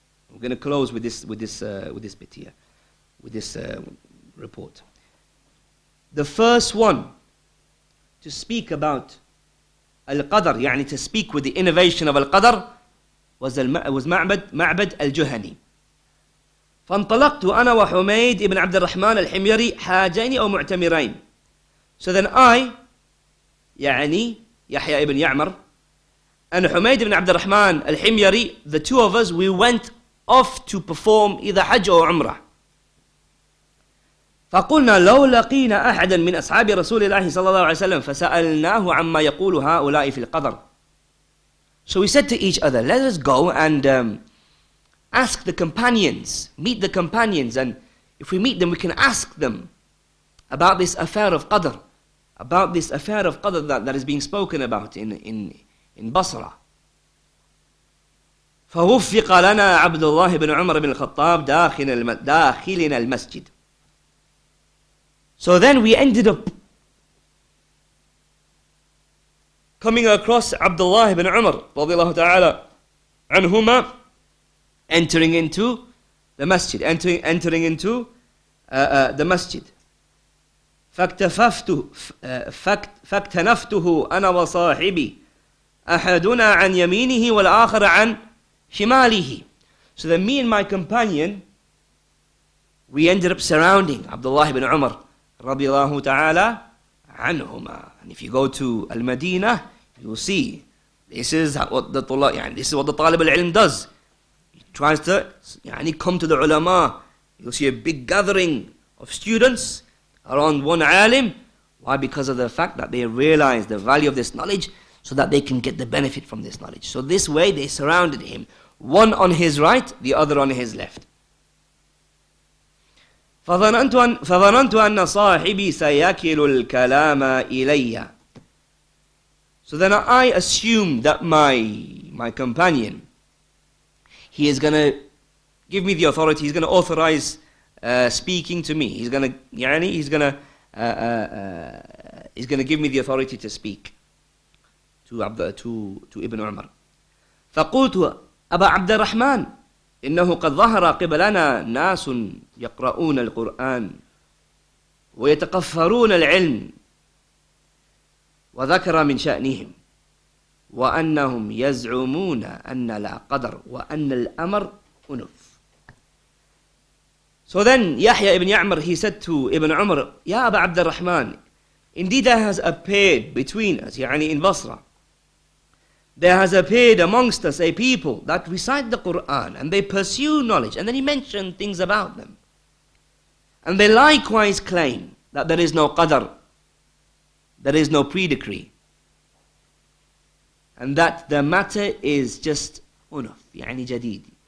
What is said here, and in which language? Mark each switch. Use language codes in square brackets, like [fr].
[en] We're going to close with this report. The first one to speak about Al-Qadr, [ar] يعني [en] to speak with the innovation of Al-Qadr, was Ma'bad Al-Juhani. [ar] فانطلقت أنا وحميد ابن عبد الرحمن الحميري حاجين أو معتمرين. [en] So then I, [ar] يعني [en] يحيى ابن يعمر, and حميد ابن عبد الرحمن الحميري, the two of us, we went off to perform either Hajj or Umrah. [ar] فقلنا لو لقينا أحدا من أصحاب رسول الله صلى الله عليه وسلم فسألناه عما يقول هؤلاء في القدر. [en] So we said to each other, let us go and ask the companions, meet the companions, and if we meet them, we can ask them about this affair of Qadr, about this affair of Qadr that is being spoken about in Basra. [ar] فوفق لنا عبد الله بن عمر بن الخطاب داخلنا المسجد. [en] So then we ended up coming across Abdullah ibn Umar radiallahu ta'ala anhuma entering into the masjid, entering into the masjid. [ar] فاكتنفته انا وصاحبي أحدنا عن يمينه والآخر عن شماله. [en] So then me and my companion, we ended up surrounding Abdullah ibn Umar [ar] رضي الله تعالى عنهما. [en] And if you go to المدينة, you'll see this is what the طلاب, [ar] يعني [en] this is what the طالب العلم does. He tries to [ar] يعني [en] come to the علماء. You'll see a big gathering of students around one alim. Why? Because of the fact that they realize the value of this knowledge so that they can get the benefit from this knowledge. So this way they surrounded him. One on his right, the other on his left. [ar] فظننت أن صاحبي سيكل الكلام إلي. [en] So then I assumed that my companion, he is going to give me the authority, he's going to authorize speaking to me. He's going to, [ar] يعني, [en] he's going to give me the authority to speak to Ibn Umar. [ar] فقلت أبا عبد الرحمن إنه قد ظهر قبلنا ناس يقرؤون القرآن ويتقفرون العلم وذكر من شأنهم وأنهم يزعمون أن لا قدر وأن الأمر أنف. [en] So then Yahya ibn Ya'mar, he said to Ibn Umar, Ya Aba Abd al-Rahman, indeed there has appeared between us, [ar] يعني [en] in Basra, there has appeared amongst us a people that recite the Qur'an and they pursue knowledge. And then he mentioned things about them. And they likewise claim that there is no qadr, there is no pre-decree, and that the matter is just unuf, [ar] يعني جديد.